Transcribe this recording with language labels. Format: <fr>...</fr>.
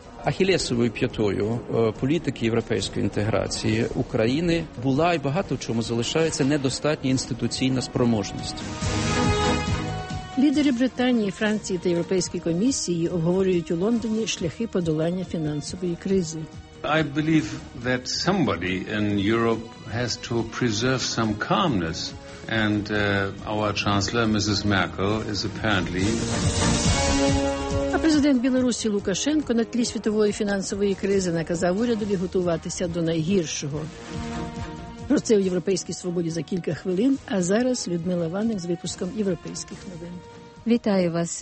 <uk>Ахіллесовою п'ятою політики європейської інтеграції України була і багато в чому залишається недостатня інституційна спроможність. Лідери Британії, Франції та Європейської комісії обговорюють у Лондоні шляхи подолання фінансової кризи.</uk> <en>I believe that somebody in Europe has to preserve some calmness, and our Chancellor Mrs. Merkel is apparently.</en> <uk>А президент Білорусі Лукашенко на тлі світової фінансової кризи наказав урядові готуватися до найгіршого. Про це у європейській свободі за кілька хвилин. А зараз Людмила Ваник з випуском європейських новин. Вітаю вас.</uk>